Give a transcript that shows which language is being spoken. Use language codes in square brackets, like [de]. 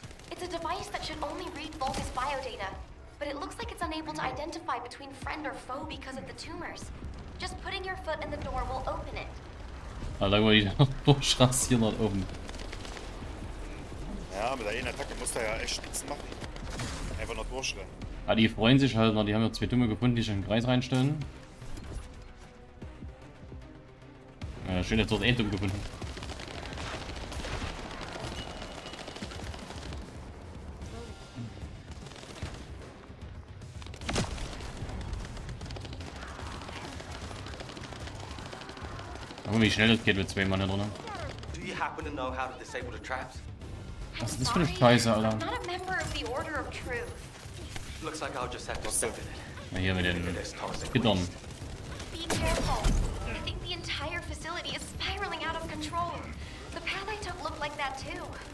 [en] It's a device that should only read Vulcan's biodata, but it looks like it's unable to identify between friend or foe because of the tumors. Just putting your foot in the door will open it. [de] Alter, guck mal, die durchrast hier noch oben. Ja, mit der einen Attacke muss er ja echt Spitzen machen. Einfach nur durchrennen. Ah, die freuen sich halt noch, die haben ja zwei Dumme gefunden, die sich in den Kreis reinstellen. Ja, schön, dass dort eh dumm gefunden. Wie schnell das geht mit zwei Mann drinnen. [en] Do you happen to know how to disable the traps? [de] Was ist das für eine Scheiße, Alter? [en] I'm not a member of the Order of Truth. Looks like I'll just have to step in it. [de] Na, hier mit den Gittern. [en] Be careful. I think the entire facility is spiraling out of control. The path I took looked like that too.